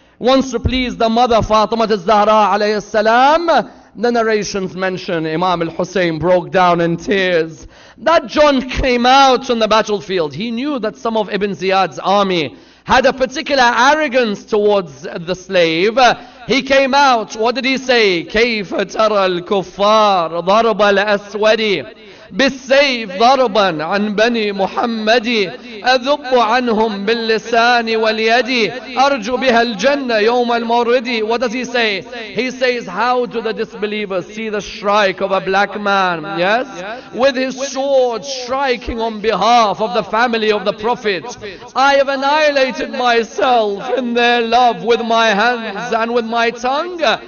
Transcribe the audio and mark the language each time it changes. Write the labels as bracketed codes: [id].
[en] Wants to please the mother, Fatima al-Zahra, alayhi salam. The narrations mention Imam al-Hussein broke down in tears. That John came out on the battlefield. He knew that some of Ibn Ziyad's army had a particular arrogance towards the slave. He came out. What did he say? [ar] كيف ترى الكفار ضرب الأسود بالسيف ضربا عن بني محمد أذب عنهم باللسان واليد أرجو بها الجنة يوم الموردي. [en] What does he say? He says, how do the disbelievers see the strike of a black man? Yes? With his sword striking on behalf of the family of the Prophet. I have annihilated myself in their love with my hands and with my tongue.